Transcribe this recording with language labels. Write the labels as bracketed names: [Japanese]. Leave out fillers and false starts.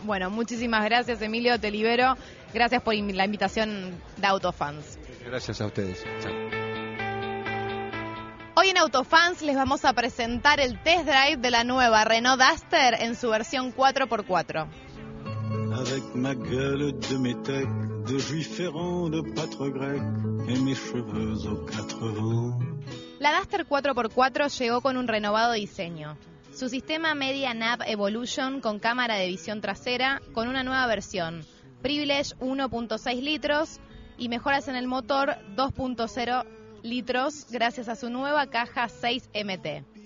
[Spanish] Bueno, muchísimas gracias, Emilio, te libero. Gracias por la invitación de Autofans. Gracias a ustedes. Hoy en Autofans les vamos a presentar el test drive de la nueva Renault Duster en su versión 4x4. [French] Avec ma gueule de métèque, de juif errant, de pâtre grec, et mes cheveux aux quatre vents. [Spanish] La Duster 4x4 llegó con un renovado diseño. Su sistema Media Nav Evolution con cámara de visión trasera, con una nueva versión, Privilege 1.6 litros y mejoras en el motor 2.0 litros gracias a su nueva caja 6MT.